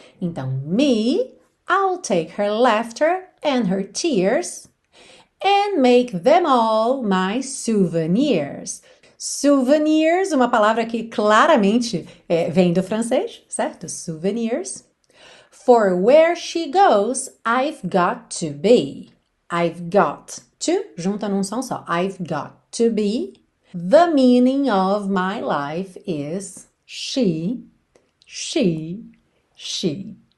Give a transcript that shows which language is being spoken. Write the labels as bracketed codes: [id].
[en] Então, me, I'll take her laughter and her tears and make them all my souvenirs. [pt] Souvenirs, uma palavra que claramente vem do francês, certo? [en] Souvenirs. For where she goes, I've got to be. [pt] I've got to, junta num som só. [en] I've got to be. The meaning of my life is she, she, she.